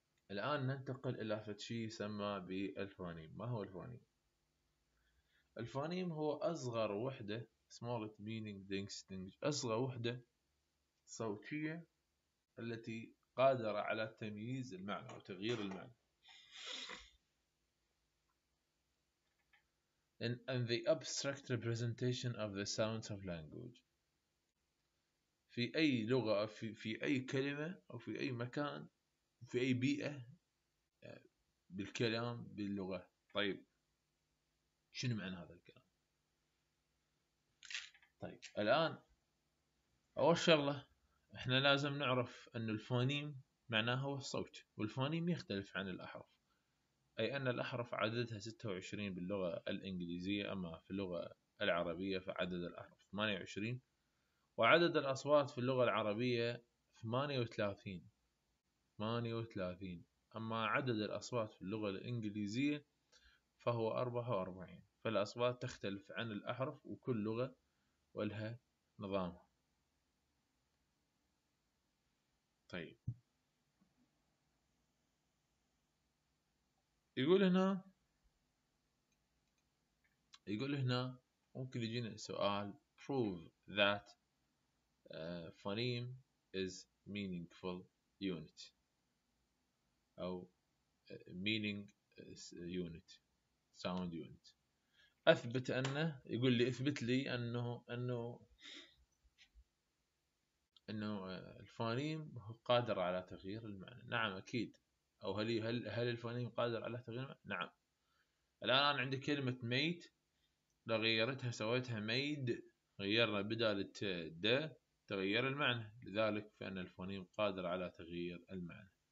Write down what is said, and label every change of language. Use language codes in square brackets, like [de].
[ar] الآن ننتقل إلى شيء يسمى بالفونيم. ما هو الفونيم؟ الفونيم هو أصغر وحدة [en] smallest meaning distinguishing [ar] أصغر وحدة صوتية التي قادرة على تمييز المعنى وتغيير المعنى. [en] And the abstract representation of the sounds of language. [ar] في أي لغة في أي كلمة أو في أي مكان في أي بيئة بالكلام باللغة. طيب شنو معنى هذا الكلام؟ طيب الآن أول شغلة إحنا لازم نعرف أن الفونيم معناه هو الصوت، والفونيم يختلف عن الأحرف، أي أن الأحرف عددها 26 باللغة الإنجليزية، أما في اللغة العربية فعدد الأحرف 28، وعدد الأصوات في اللغة العربية 38. 38 أما عدد الأصوات في اللغة الإنجليزية فهو 44، فالأصوات تختلف عن الأحرف وكل لغة ولها نظامها. طيب يقول هنا ممكن يجينا سؤال [en] prove that phoneme is meaningful unit [ar] أو [en] meaning unit sound unit. [ar] أثبت أنه يقول لي أثبت لي أنه الفونيم هو قادر على تغيير المعنى. نعم أكيد. أو هل الفونيم قادر على تغيير المعنى؟ نعم. الآن أنا عندي كلمة made لو غيرتها سويتها made غيرنا بدل الت د تغير المعنى، لذلك فإن الفونيم قادر على تغيير المعنى.